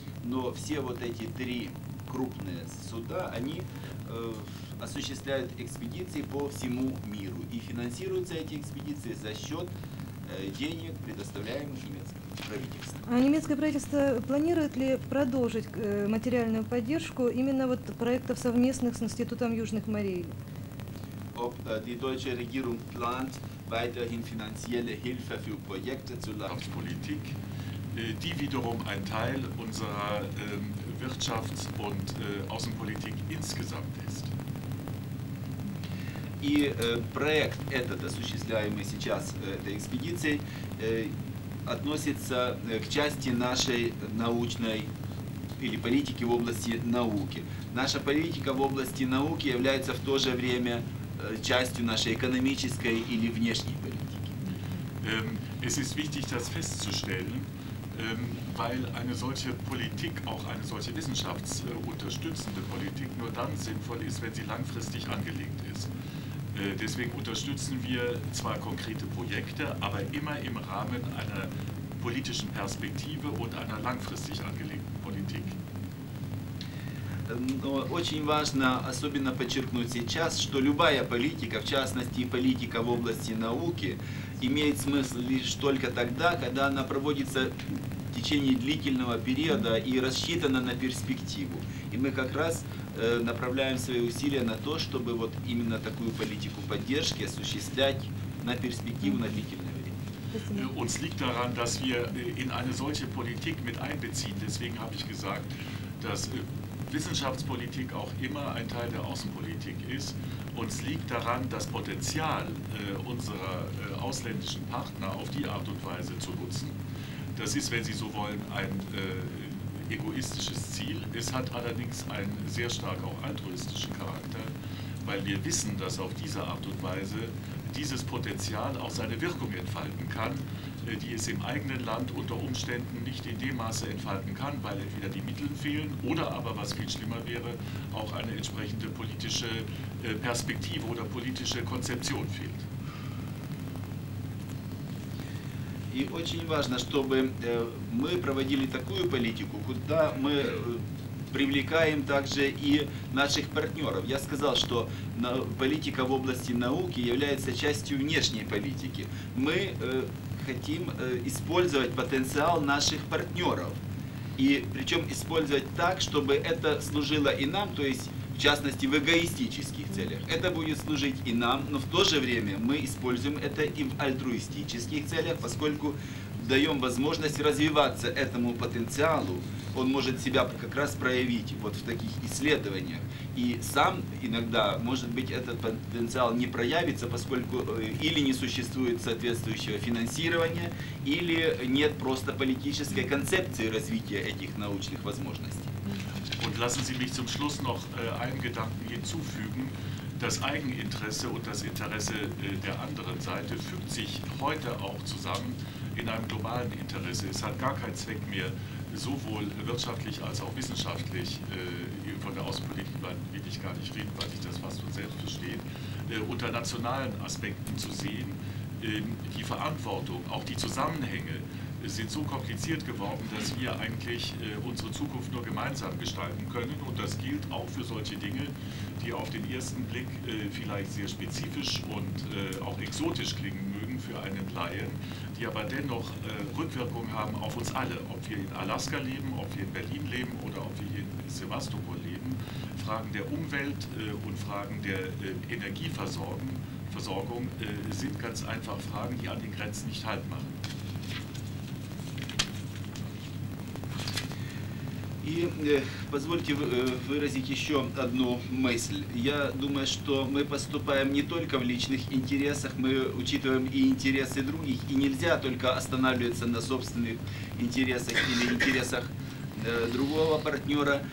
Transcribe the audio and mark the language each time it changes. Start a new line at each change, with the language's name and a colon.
Russian: Но все вот эти три крупные суда, они осуществляют экспедиции по всему миру. И финансируются эти экспедиции за счет денег, предоставляемых немецким правительством. А немецкое правительство планирует ли продолжить материальную поддержку именно вот проектов совместных с Институтом Южных морей?
German: Ob die deutsche Regierung plant weiterhin finanzielle Hilfe für Projekte zur Landwirtschaftspolitik, die wiederum ein Teil unserer Wirtschafts- und Außenpolitik insgesamt ist.
Russian: И проект этот, осуществляемый сейчас этой экспедицией, относится к части нашей научной или политики в области науки. Наша политика в области науки является в то же время частью нашей экономической или внешней политики.
German: Es ist wichtig, das festzustellen, weil eine solche Politik, auch eine solche wissenschaftsunterstützende Politik, nur dann sinnvoll ist, wenn sie langfristig angelegt ist. Deswegen unterstützen wir zwar konkrete Projekte, aber immer im Rahmen einer politischen Perspektive und einer langfristig angelegten Politik.
Russian: Очень важно особенно подчеркнуть сейчас, что любая политика, в частности политика в области науки, имеет смысл лишь только тогда, когда она проводится в течение длительного периода и рассчитана на перспективу. И мы как раз направляем свои усилия на то, чтобы вот именно такую политику поддержки осуществлять на перспективу на длительное время.
German: Uns liegt daran, dass wir in eine solche Politik mit einbeziehen. Deswegen habe ich gesagt, dass Wissenschaftspolitik auch immer ein Teil der Außenpolitik ist. Uns liegt daran, das Potenzial unserer ausländischen Partner auf die Art und Weise zu nutzen. Das ist, wenn Sie so wollen, ein egoistisches Ziel. Es hat allerdings einen sehr stark auch altruistischen Charakter, weil wir wissen, dass auf diese Art und Weise dieses Potenzial auch seine Wirkung entfalten kann, die es im eigenen Land unter Umständen nicht in dem Maße entfalten kann, weil entweder die Mittel fehlen oder aber, was viel schlimmer wäre, auch eine entsprechende politische Perspektive oder politische Konzeption fehlt.
Russian: И очень важно, чтобы мы проводили такую политику, куда мы привлекаем также и наших партнеров. Я сказал, что политика в области науки является частью внешней политики. Мы хотим использовать потенциал наших партнеров. И причем использовать так, чтобы это служило и нам, то есть в частности в эгоистических целях. Это будет служить и нам, но в то же время мы используем это и в альтруистических целях, поскольку даем возможность развиваться этому потенциалу. Он может себя как раз проявить вот в таких исследованиях. И сам иногда, может быть, этот потенциал не проявится, поскольку или не существует соответствующего финансирования, или нет просто политической концепции развития этих научных возможностей.
German: Und lassen Sie mich zum Schluss noch einen Gedanken hinzufügen. Das Eigeninteresse und das Interesse der anderen Seite fügt sich heute auch zusammen in einem globalen Interesse. Es hat gar keinen Zweck mehr, sowohl wirtschaftlich als auch wissenschaftlich, von der Außenpolitik will ich gar nicht reden, weil sich das fast von selbst versteht, unter nationalen Aspekten zu sehen. Die Verantwortung, auch die Zusammenhänge, sind so kompliziert geworden, dass wir eigentlich unsere Zukunft nur gemeinsam gestalten können. Und das gilt auch für solche Dinge, die auf den ersten Blick vielleicht sehr spezifisch und auch exotisch klingen mögen für einen Laien, die aber dennoch Rückwirkungen haben auf uns alle. Ob wir in Alaska leben, ob wir in Berlin leben oder ob wir hier in Sevastopol leben, Fragen der Umwelt und Fragen der Energieversorgung sind ganz einfach Fragen, die an den Grenzen nicht halt machen.
Russian: И позвольте выразить еще одну мысль. Я думаю, что мы поступаем не только в личных интересах, мы учитываем и интересы других, и нельзя только останавливаться на собственных интересах или интересах другого партнера.